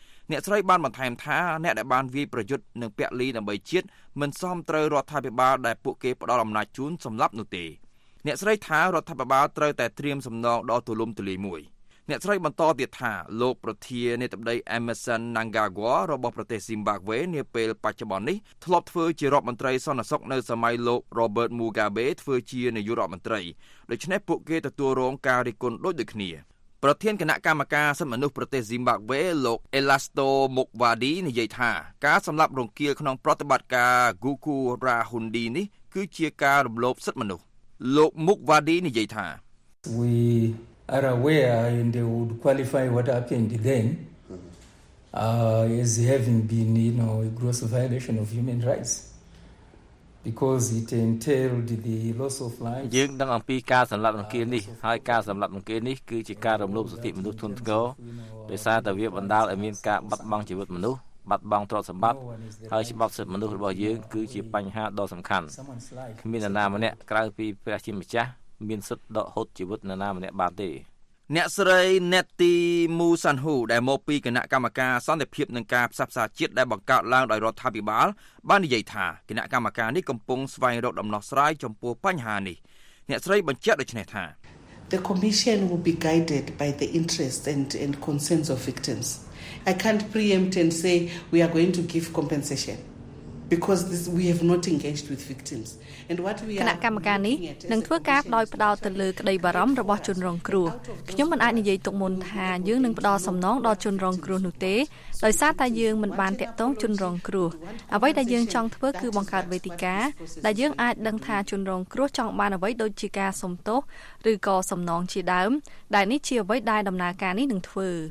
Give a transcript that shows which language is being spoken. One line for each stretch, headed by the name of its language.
Khmer: អ្នកស្រីបានបន្ថែមថាអ្នកដែលបានវាយប្រយុទ្ធនឹងពាក់លីដើម្បីជាតិមិនសមត្រូវរដ្ឋាភិបាលដែលពួកគេផ្ដល់អំណាចជូនសម្រាប់នោះទេអ្នកស្រីថារដ្ឋាភិបាលត្រូវតែត្រៀមសំណងដល់ទូលំទូលាយមួយអ្នកស្រីបន្តទៀតថាលោកប្រធាននាយកដ្ឋាន Emmerson Mnangagwa របស់ប្រទេស Zimbabwe នាពេលបច្ចុប្បន្ននេះធ្លាប់ធ្វើជារដ្ឋមន្ត្រីសន្តិសុខនៅសម័យលោក Robert Mugabe ធ្វើជានាយករដ្ឋមន្ត្រីដូច្នេះពួកគេទទួលរងការរិះគន់ដូចគ្នា ប្រធានគណៈកម្មការសិទ្ធិមនុស្សប្រទេសស៊ីមបាប្វេលោកអេឡាស្តូមុកវ៉ាឌីនិយាយថាការសម្លាប់រង្គាលក្នុងប្រតិបត្តិការគូគូរ៉ាហ៊ុនឌីនេះគឺជាការរំលោភសិទ្ធិមនុស្សលោកមុកវ៉ាឌីនិយាយថា
English: We are aware and they would qualify what happened then as having been you know a gross violation of human rights. Because it entailed the loss of life
Khmer: យើងដឹងអំពីការសម្លាប់រង្គាលនេះហើយការសម្លាប់រង្គាលនេះគឺជាការរំលោភសិទ្ធិមនុស្សធ្ងន់ធ្ងរដោយសារតែវាបណ្ដាលឲ្យមានការបាត់បង់ជីវិតមនុស្សបាត់បង់ទ្រព្យសម្បត្តិហើយច្បាប់សិទ្ធិមនុស្សរបស់យើងគឺជាបញ្ហាដ៏សំខាន់គ្មាននរណាម្នាក់ក្រៅពីព្រះជាម្ចាស់មានសិទ្ធិដកហូតជីវិតនរណាម្នាក់បានទេ អ្នកស្រី Nettie Mu San Hu ដែលមកពីគណៈកម្មការសន្តិភាពនិងការផ្សះផ្សាជាតិដែលបង្កើតឡើងដោយរដ្ឋាភិបាលបាននិយាយថាគណៈកម្មការនេះកំពុងស្វែងរកដំណោះស្រាយចំពោះបញ្ហានេះអ្នកស្រីបញ្ជាក់ដូចនេះថា
English: The commission will be guided by the interests and concerns of victims. I can't preempt and say we are going to give compensation. Because this, we have not engaged with victims. And what we are.
Khmer: គណៈកម្មការនេះនឹងធ្វើការផ្ដោតទៅលើក្តីបារម្ភរបស់ជនរងគ្រោះខ្ញុំមិនអាចនិយាយទុកមុនថាយើងនឹងផ្ដល់សំណងដល់ជនរងគ្រោះនោះទេដោយសារតែយើងមិនបានតាក់ទងជនរងគ្រោះអ្វីដែលយើងចង់ធ្វើគឺបង្កើតវេទិកាដែលយើងអាចដឹងថាជនរងគ្រោះចង់បានអ្វីដូចជាការសុំទោសឬក៏សំណងជាដើមដែលនេះជាអ្វីដែលដំណើរការនេះនឹងធ្វើ